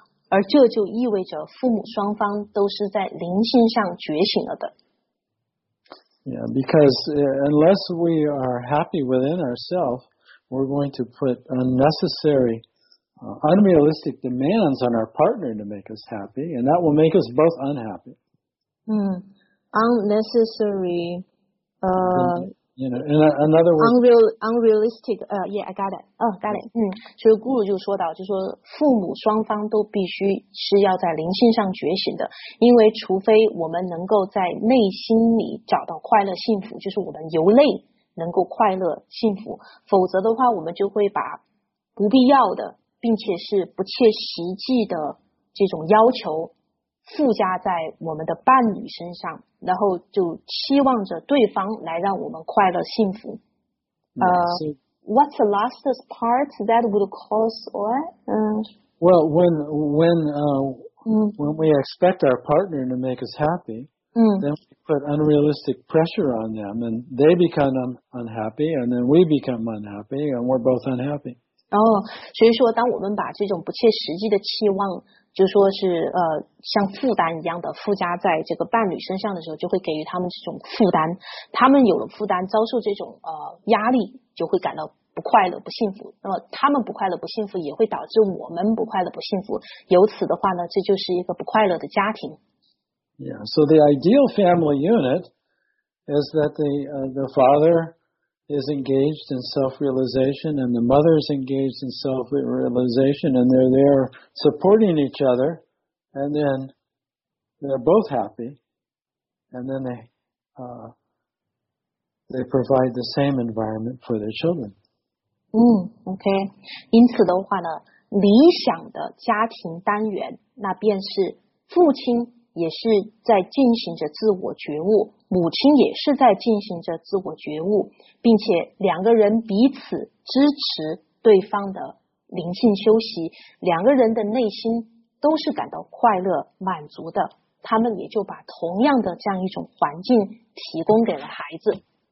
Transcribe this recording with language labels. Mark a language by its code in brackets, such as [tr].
[zh] 而这就意味着父母双方都是在灵性上觉醒了的。 [en] Yeah, because unless we are happy within ourselves, we're going to put unnecessary, unrealistic demands on our partner to make us happy, and that will make us both unhappy. Unrealistic, I got it. [zh] 所以Guru就说到，就说父母双方都必须是要在灵性上觉醒的，因为除非我们能够在内心里找到快乐幸福，就是我们由内能够快乐幸福，否则的话我们就会把不必要的并且是不切实际的这种要求附加在我们的伴侣身上，然后就期望着对方来让我们快乐幸福。 [en] What's the last part that would cause what? When we expect our partner to make us happy, then we put unrealistic pressure on them, and they become unhappy, and then we become unhappy, and we're both unhappy. [zh] 所以说当我们把这种不切实际的期望，就说是像负担一样的附加在这个伴侣身上的时候，就会给予他们这种负担，他们有了负担，遭受这种压力，就会感到不快乐不幸福，那么他们不快乐不幸福也会导致我们不快乐不幸福，由此的话呢，这就是一个不快乐的家庭。 [en] Yeah, so the ideal family unit is that the father is engaged in self-realization and the mother is engaged in self-realization and they're there supporting each other and then they're both happy and then they provide the same environment for their children. Okay. [zh] 因此的话呢，理想的家庭单元那便是父亲也是在进行着自我觉悟，母亲也是在进行着自我觉悟，并且两个人彼此支持对方的灵性修习，两个人的内心都是感到快乐满足的，他们也就把同样的这样一种环境提供给了孩子。